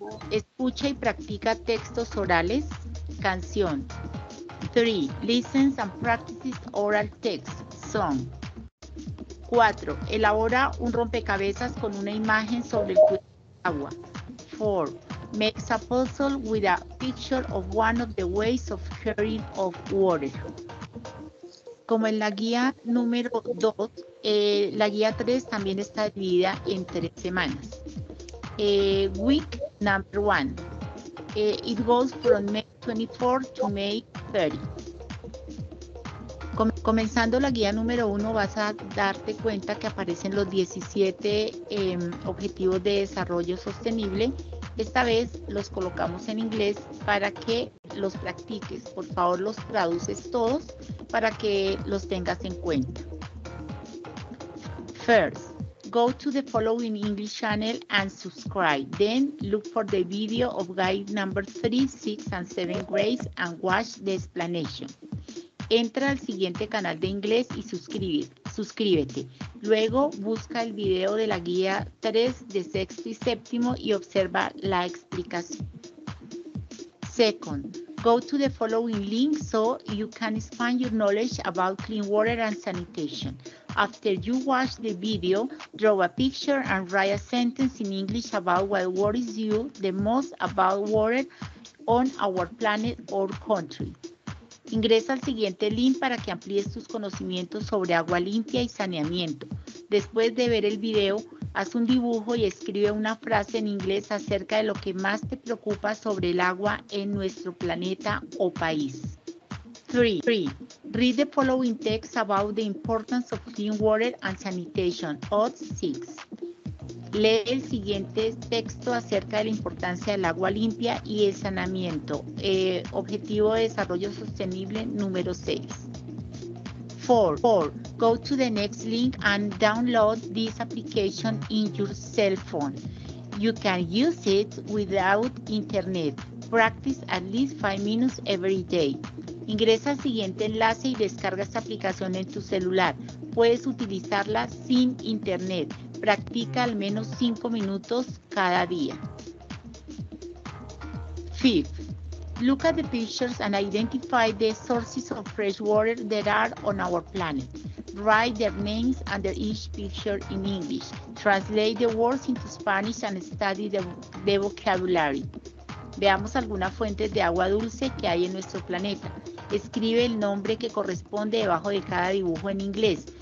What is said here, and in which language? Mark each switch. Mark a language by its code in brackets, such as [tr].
[es] Escucha y practica textos orales, canción. 3. [en] Listens and practices oral text, song. 4. [es] Elabora un rompecabezas con una imagen sobre el cuerpo de agua. 4. [en] Makes a puzzle with a picture of one of the ways of carrying of water. [es] Como en la guía número 2, la guía 3 también está dividida en 3 semanas. [en] Week number 1. It goes from May 24 to May 30. [es] Comenzando la guía número 1, vas a darte cuenta que aparecen los 17 objetivos de desarrollo sostenible. Esta vez los colocamos en inglés para que los practiques. Por favor, los traduces todos para que los tengas en cuenta. [en] First, go to the following English channel and subscribe. Then, look for the video of guide number 3, 6 and 7 grades and watch the explanation. [es] Entra al siguiente canal de inglés y suscríbete. Luego busca el video de la guía 3 de sexto y séptimo y observa la explicación. [en] Second, go to the following link so you can expand your knowledge about clean water and sanitation. After you watch the video, draw a picture and write a sentence in English about what worries you the most about water on our planet or country. [es] Ingresa al siguiente link para que amplíes tus conocimientos sobre agua limpia y saneamiento. Después de ver el video, haz un dibujo y escribe una frase en inglés acerca de lo que más te preocupa sobre el agua en nuestro planeta o país. 3. [en] Read the following text about the importance of clean water and sanitation. Odd 6. [es] Lee el siguiente texto acerca de la importancia del agua limpia y el saneamiento. Objetivo de desarrollo sostenible número 6. 4. [en] Go to the next link and download this application in your cell phone. You can use it without internet. Practice at least 5 minutes every day. [es] Ingresa al siguiente enlace y descarga esta aplicación en tu celular. Puedes utilizarla sin internet. Practica al menos 5 minutos cada día. 5. [en] Look at the pictures and identify the sources of fresh water that are on our planet. Write their names under each picture in English. Translate the words into Spanish and study the vocabulary. [es] Veamos algunas fuentes de agua dulce que hay en nuestro planeta. Escribe el nombre que corresponde debajo de cada dibujo en inglés.